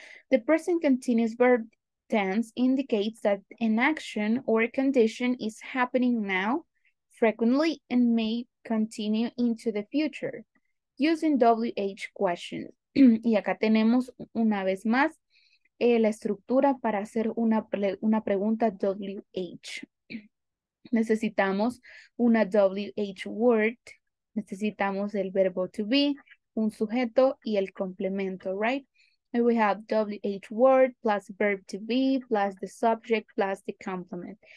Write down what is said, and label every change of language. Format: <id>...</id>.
<en>The present continuous verb tense indicates that an action or a condition is happening now, frequently, and may continue into the future, using WH questions.</en> <es>Y acá tenemos una vez más la estructura para hacer una pregunta WH. Necesitamos una WH word, necesitamos el verbo to be, un sujeto y el complemento, right?</es> <en>And we have WH word plus verb to be plus the subject plus the complement.</en>